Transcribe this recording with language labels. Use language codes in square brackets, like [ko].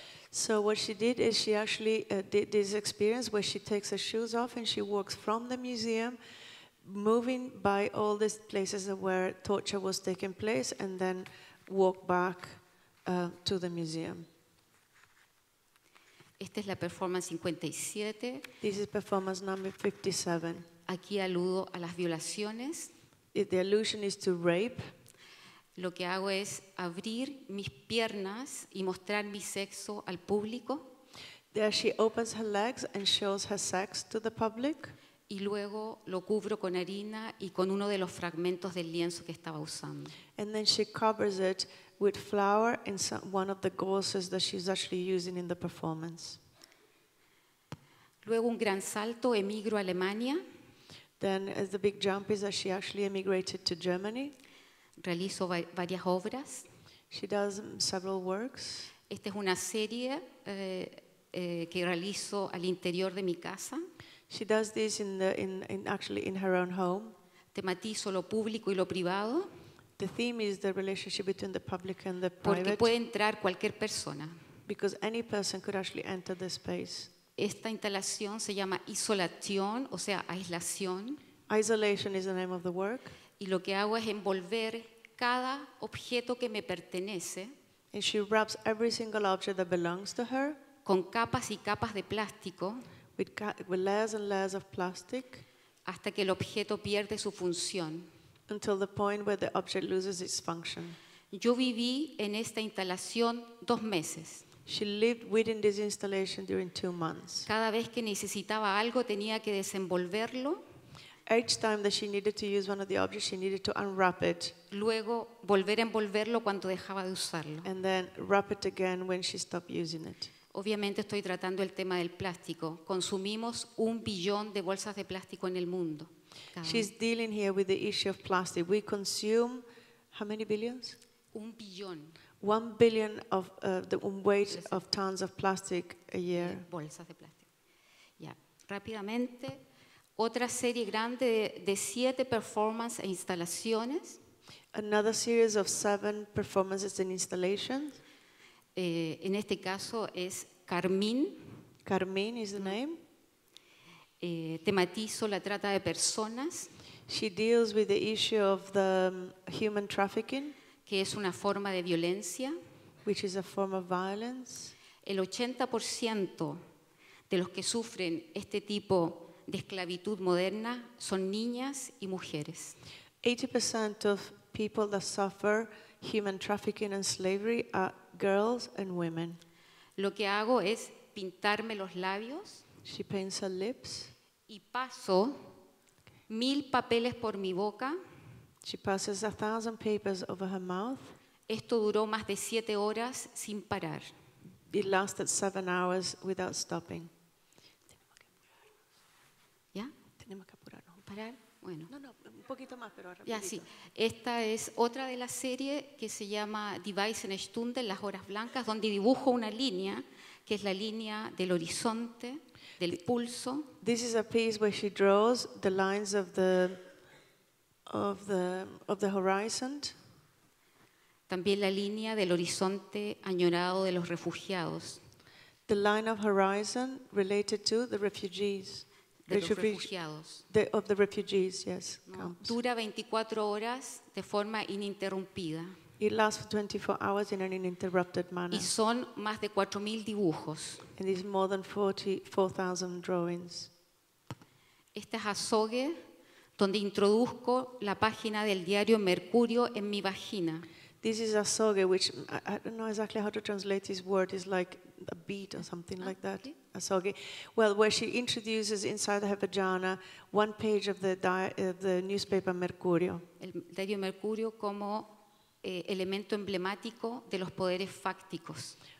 [en] So what she did is she actually did this experience where she takes her shoes off and she walks from the museum, moving by all these places where torture was taking place, and then walk back to the museum. [es] Esta es la performance 57. [en] This is performance number 57. [es] Aquí aludo a las violaciones. [en] The allusion is to rape. [es] Lo que hago es abrir mis piernas y mostrar mi sexo al público. [en] There she opens her legs and shows her sex to the public. [es] Y luego lo cubro con harina y con uno de los fragmentos del lienzo que estaba usando. [en] And then she covers it with flower, and some, one of the gauzes that she's actually using in the performance. [es] Luego un gran salto, emigro a Alemania. [en] Then as the big jump is that she actually emigrated to Germany. [es] Realizo varias obras. [en] She does several works. [es] Esta es una serie que realizo al interior de mi casa. [en] She does this in the, in actually in her own home. [es] Tematizo lo público y lo privado. [en] The theme is the relationship between the public and the private. [es] Porque puede entrar cualquier persona. [en] Because any person could actually enter the space. [es] Esta instalación se llama isolación, o sea, aislación. [en] Isolation is the name of the work. [es] Y lo que hago es envolver cada objeto que me pertenece. [en] And she wraps every single object that belongs to her. [es] Con capas y capas de plástico. [en] With layers and layers of plastic. [es] Hasta que el objeto pierde su función. [en] Until the point where the object loses its function. [es] Yo viví en esta instalación 2 meses. [en] She lived within this installation during 2 months. [es] Cada vez que necesitaba algo, tenía que desenvolverlo. [en] Each time that she needed to use one of the objects, she needed to unwrap it. [es] Luego, volver a envolverlo cuando dejaba de usarlo. [en] And then wrap it again when she stopped using it. [es] Obviamente estoy tratando el tema del plástico. Consumimos 1 billón de bolsas de plástico en el mundo. [en] She's dealing here with the issue of plastic. We consume how many billions? [es] 1 billón. [en] 1 billion of the weight of tons of plastic a year. [es] Bolsas de plástico. Ya. Rápidamente, otra serie grande de 7 performances e instalaciones. [en] Another series of 7 performances and installations. [es] En este caso es Carmín. [en] Carmín is the name. [es] Tematizo la trata de personas. [en] She deals with the issue of the human trafficking. [es] Que es una forma de violencia. [en] Which is a form of violence. [es] El 80% de los que sufren este tipo de esclavitud moderna son niñas y mujeres. [en] 80% of people that suffer human trafficking and slavery are girls and women. [es] Lo que hago es pintarme los labios. [en] She paints her lips. [es] Y paso 1,000 papeles por mi boca. [en] She passes 1,000 papers over her mouth. [es] Esto duró más de 7 horas sin parar. [en] It lasted 7 hours without stopping. [es] ¿Ya? Tenemos que apurarnos. ¿Parar? Bueno. No, no, un poquito más, pero rapidito. Ya, sí. Esta es otra de la serie que se llama Die Weißen Stunden, las horas blancas, donde dibujo una línea, que es la línea del horizonte, del pulso. [en] This is a piece where she draws the lines of the horizon. [es] También la línea del horizonte añorado de los refugiados. [en] The line of horizon related to the refugees. [es] De los refugiados. [en] Of the refugees, yes. [es] No. Dura 24 horas de forma ininterrumpida. [en] It lasts for 24 hours in an uninterrupted manner. [es] Y son más de 4,000 dibujos. [en] And it's more than 44,000 drawings. [es] Este es Azogue, donde introduzco la página del diario Mercurio en mi vagina. [en] This is Azogue, which I don't know exactly how to translate this word. It's like a beat or something like that. Azogue. Well, where she introduces inside her vagina one page of the newspaper Mercurio. [es] El diario Mercurio como elemento emblemático de los poderes fácticos.